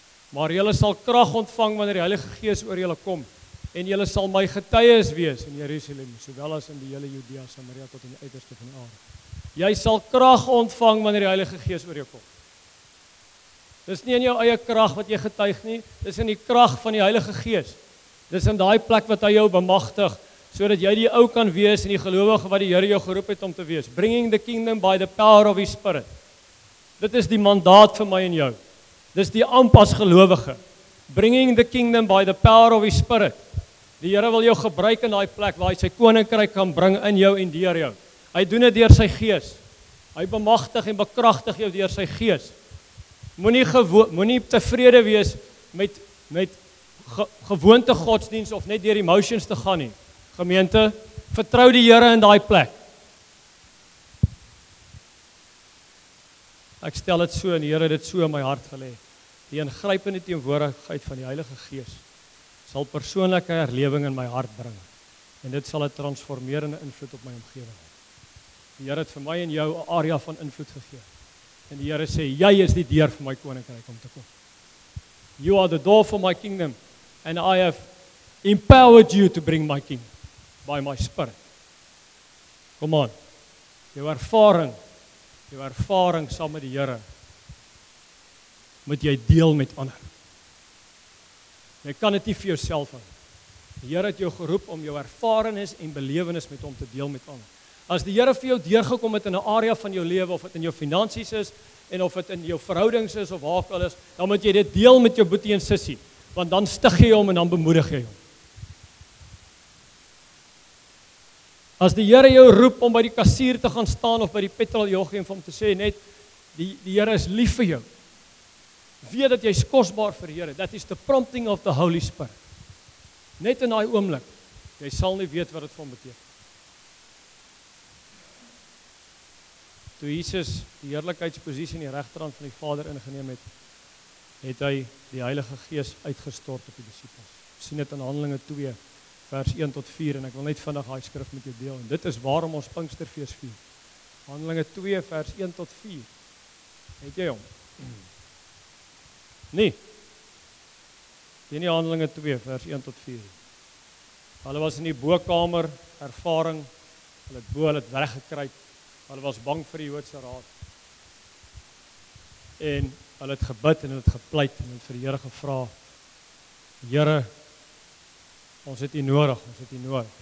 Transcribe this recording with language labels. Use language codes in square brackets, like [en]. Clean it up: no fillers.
[af] Maar julle sal krag ontvang wanneer die Heilige Gees oor julle kom. En julle sal my getuies wees in Jerusalem, sowel as in die hele Judea, Samaria, tot in die uiterste van die aarde. Jy sal krag ontvang wanneer die Heilige Gees oor jou kom. Dis nie in jou eie krag wat jy getuig nie, dis in die krag van die Heilige Gees. Dis in daai plek wat hy jou bemagtig, sodat jy die ou kan wees en die gelowige wat die Here jou geroep het om te wees. [en] Bringing the kingdom by the power of his spirit. [af] Dit is die mandaat vir my en jou. Dis die aanpas gelowige. [en] Bringing the kingdom by the power of his spirit. [af] Die Here wil jou gebruik in daai plek waar hy sy koninkryk kan bring in jou en deur jou. Hy doen dit deur sy gees. Hy bemagtig en bekragtig jou deur sy gees. Moenie tevrede wees met gewoonte godsdienst of net deur die motions te gaan nie. Gemeente, vertrou die Here in daai plek. Ek stel dit so en die Here het dit so in my hart gelê. Die ingrypende teenwoordigheid van die Heilige Gees sal persoonlike herlewing in my hart bring. En dit sal 'n transformerende invloed op my omgewing hê. Die Here het vir my en jou 'n area van invloed gegee. En die Here sê, jy is die deur vir my koninkryk om te kom. [en] You are the door for my kingdom. And I have empowered you to bring my kingdom. By my spirit. Come on. [af] Jou ervaring saam met die Here. Moet jy deel met ander. Jy kan dit nie vir jouself hou. Die Here het jou geroep om jou ervarings en belewenis met hom te deel met ander. As die Here vir jou deurgekom het in 'n area van jou lewe, of dit in jou finansies is, en of dit in jou verhoudings is, of waar ook al is, dan moet jy dit deel met jou boetie en sissie, want dan stig jy hom en dan bemoedig jy hom. As die Here jou roep om by die kassier te gaan staan of by die petroljoggie en vir hom te sê net die Here is lief vir jou. Weet dat jy is kosbaar vir Here. [en] That is the prompting of the Holy Spirit. [af] Net in daai oomblik, jy sal nie weet wat dit vir hom beteken. Toe Jesus die heerlikheidsposisie in die regterhand van die Vader ingeneem het, het hy die Heilige Gees uitgestort op die disippels. Sien dit in Handelinge 2 vers 1 tot 4 en ek wil net vinnig daai skrif met jou deel en dit is waarom ons Pinksterfees vier. Handelinge 2 vers 1 tot 4. Het jy hom? Nee. Ken jy Handelinge 2 vers 1 tot 4? Hulle was in die bokamer ervaring. Hulle het bo hulle het weggekruip. Hulle was bang vir die Joodse raad. En hulle het gebid en hulle het gepleit en het vir die Here gevra. Here, ons het U nodig, ons het U nodig.